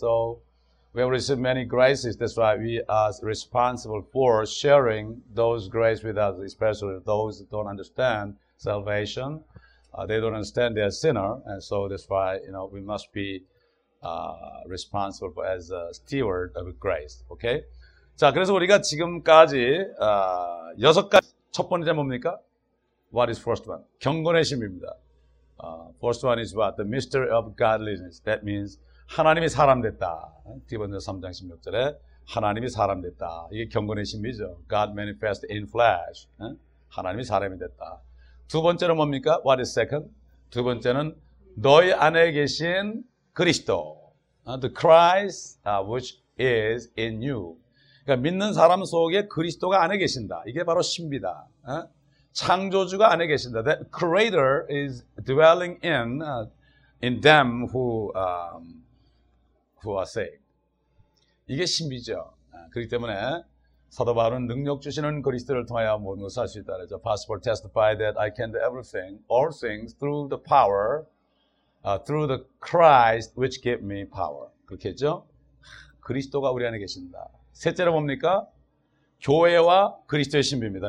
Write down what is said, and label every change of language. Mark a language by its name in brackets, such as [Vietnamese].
[English] So we have received many graces. That's why we are responsible for sharing those graces with others, especially those who don't understand salvation. They don't understand they are sinner, and so that's why, you know, we must be responsible as a steward of grace. Okay? [Korean] 자, 그래서 우리가 지금까지 여섯 가지 첫 번째 뭡니까? [English] What is first one? [Korean] 경건의 신비입니다. [English] First one is what? The mystery of godliness. That means [Korean] 하나님이 사람 됐다. 디번전 3장 16절에 하나님이 사람 됐다. 이게 경건의 신비죠. [English] God manifest in flesh. [Korean] 하나님이 사람이 됐다. 두 번째는 뭡니까? [English] What is second? [Korean] 두 번째는 너희 안에 계신 그리스도. [English] The Christ which is in you. [Korean] 그러니까 믿는 사람 속에 그리스도가 안에 계신다. 이게 바로 신비다. 창조주가 안에 계신다. [English] That creator is dwelling in them who are saved. [Korean] 이게 신비죠. 그렇기 때문에 사도 바울은 능력 주시는 그리스도를 통하여 모든 것을 할 수 있다. [English] So, possible testify that I can do everything, all things through the power, through the Christ which gave me power. [Korean] 그렇게 했죠? 그리스도가 우리 안에 계신다. 셋째로 뭡니까? 교회와 그리스도의 신비입니다.